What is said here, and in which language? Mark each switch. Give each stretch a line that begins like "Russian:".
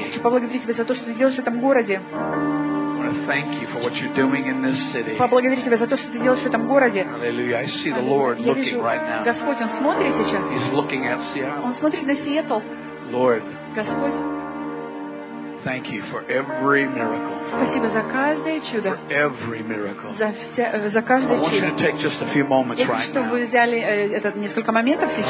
Russian: Я хочу поблагодарить тебя за то, что ты делаешь в этом городе.
English: I want to thank you for what you're doing in this city.
Russian: Поблагодарить тебя за то, что ты делаешь в этом городе.
English: Hallelujah! I see the Lord looking right now.
Russian: Господь, он смотрит сейчас.
English: He's looking at Seattle.
Russian: Он смотрит на Сиэтл.
English: Lord.
Russian: Господь.
English: Thank you for every miracle.
Russian: Спасибо за каждое чудо.
English: For every miracle.
Russian: За каждое чудо.
English: I want you to take just a few moments right now.
Russian: Я хочу, чтобы вы взяли этот несколько моментов сейчас.